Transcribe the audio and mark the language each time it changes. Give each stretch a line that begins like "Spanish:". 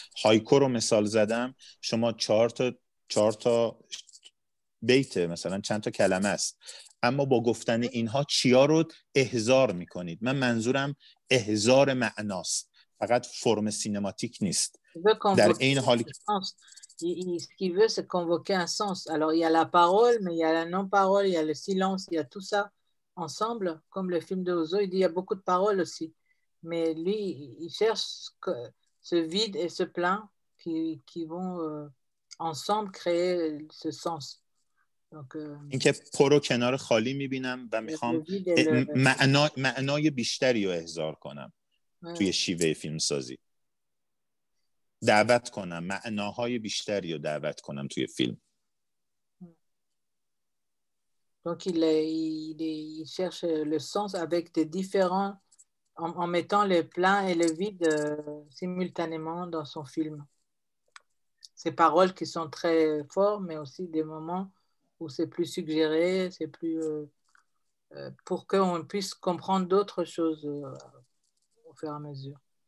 Persian: هایکو رو مثال زدم، شما چهار تا بیته، مثلا چند تا کلمه است، اما با گفتن اینها چیا رو احضار میکنید. من منظورم احضار معناست، فقط فرم سینماتیک نیست. در این حالی که
French: ce qui veut c'est convoquer un sens. Alors il y a la parole mais il y a la non parole, il y a le silence, il y a tout ça ensemble comme le film de Ozo, il dit il y a beaucoup de paroles aussi mais lui, il cherche ce vide et ce plein qui vont ensemble créer ce sens. Donc,
Persian: اینکه پرو کنار خالی میبینم و میخوام معنای بیشتری رو احضار کنم توی شیوه فیلم سازی، دعوت کنم معناهای بیشتری رو دعوت کنم توی فیلم.
French: Donc il cherche le sens avec des différents en mettant le plein et le vide simultanément dans son film. Ces paroles qui sont très fortes mais aussi des moments où c'est plus suggéré, c'est plus pour qu'on puisse comprendre d'autres choses au fur et à mesure.